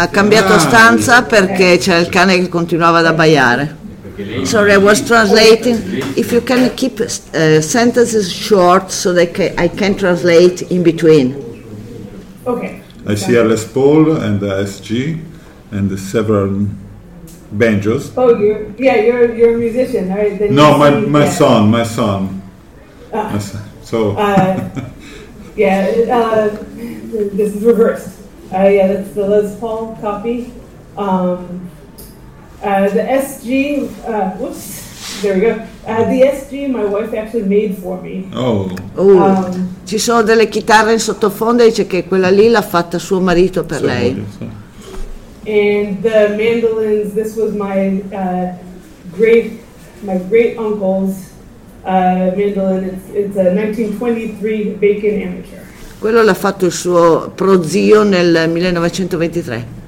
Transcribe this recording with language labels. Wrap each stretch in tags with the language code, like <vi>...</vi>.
<it>Ha cambiato stanza perché c'era il cane che continuava ad abbaiare.</it> <en>Sorry, I was translating. If you can keep sentences short so that I can translate in between. Okay. I see a Les Paul and a SG and the several banjos. Oh, you're a musician, right? No, my son. So... this is reversed. That's the Les Paul copy. The SG, there we go. The SG my wife actually made for me. Oh.</en> <it>Ci sono delle chitarre in sottofondo e dice che quella lì l'ha fatta suo marito per lei.</it> <en>And the mandolins, this was my great uncle's mandolin. It's a 1923 Bacon amateur.</en> <it>Quello l'ha fatto il suo prozio nel 1923.</it>